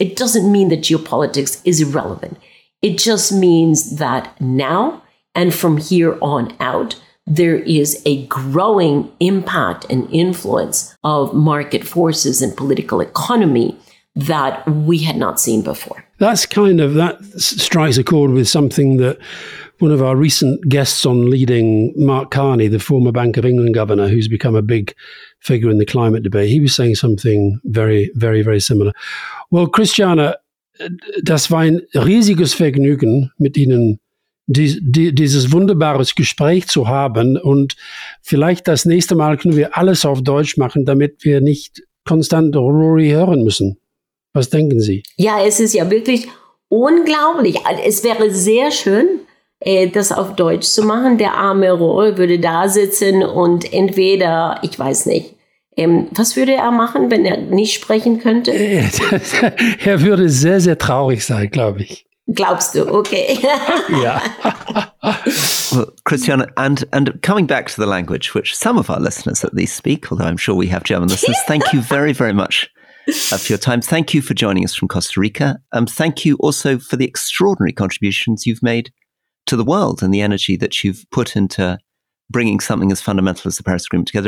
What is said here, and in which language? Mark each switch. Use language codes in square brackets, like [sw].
[en] It doesn't mean that geopolitics is irrelevant. It just means that now and from here on out, there is a growing impact and influence of market forces and political economy that we had not seen before. That strikes a chord with something that one of our recent guests on Leading, Mark Carney, the former Bank of England governor, who's become a big figure in the climate debate, he was saying something very, very, very similar. [de] Well, Christiana, das war ein riesiges Vergnügen mit Ihnen, dieses wunderbare Gespräch zu haben, und vielleicht das nächste Mal können wir alles auf Deutsch machen, damit wir nicht konstant Rory hören müssen. Was denken Sie? Ja, es ist ja wirklich unglaublich. Es wäre sehr schön, das auf Deutsch zu machen. Der arme Rory würde da sitzen und entweder, ich weiß nicht, was würde er machen, wenn er nicht sprechen könnte? Er würde sehr, sehr traurig sein, glaube ich. Glaubst du? Okay. [en] Yeah. Well, Christiana, and coming back to the language, which some of our listeners at least speak, although I'm sure we have German listeners, thank you very, very much for your time. Thank you for joining us from Costa Rica. Thank you also for the extraordinary contributions you've made to the world and the energy that you've put into bringing something as fundamental as the Paris Agreement together.